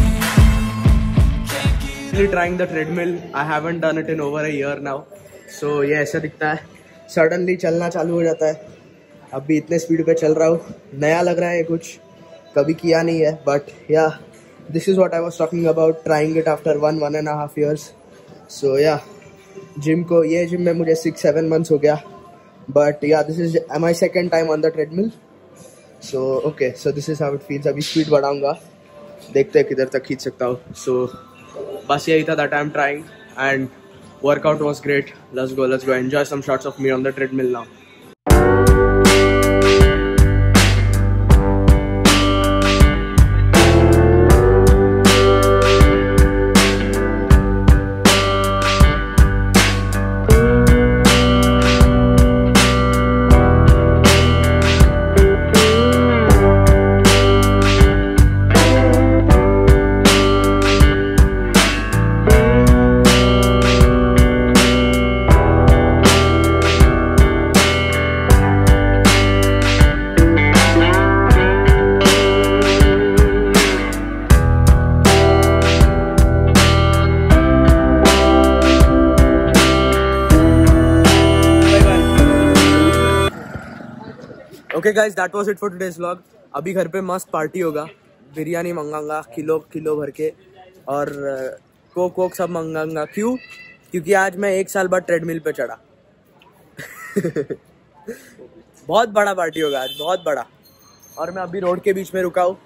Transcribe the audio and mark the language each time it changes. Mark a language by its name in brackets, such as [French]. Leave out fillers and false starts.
[English] finally trying the treadmill. I haven't done it in over a year now. So yeah, [Hindi] ऐसा दिखता है. Suddenly चलना चालू हो जाता है. अभी इतने स्पीड पे चल रहा हूँ. नया लग रहा है कुछ. कभी किया नहीं है. [English] But yeah, this is what I was talking about. Trying it after one and a half years. So yeah, [Hindi] gym को ये gym में मुझे 6-7 months हो गया. [English] But yeah, this is my second time on the treadmill. So okay, so this is how it feels. [Hindi] अभी speed बढ़ाऊँगा. देखते हैं किधर तक खींच सकता हूँ. [English] So [Hindi] बस यही था [English] that I'm trying and workout was great. Let's go. Enjoy some shots of me on the treadmill now. Okay guys, that was it for today's vlog. [Hindi] अभी घर पे मस्त पार्टी होगा. बिरयानी मंगाऊंगा किलो किलो भर के और कोक वोक सब मंगाऊंगा. क्यों? क्योंकि आज मैं एक साल बाद ट्रेडमिल पे चढ़ा. बहुत बड़ा पार्टी होगा आज, बहुत बड़ा. और मैं अभी रोड के बीच में रुका हूँ.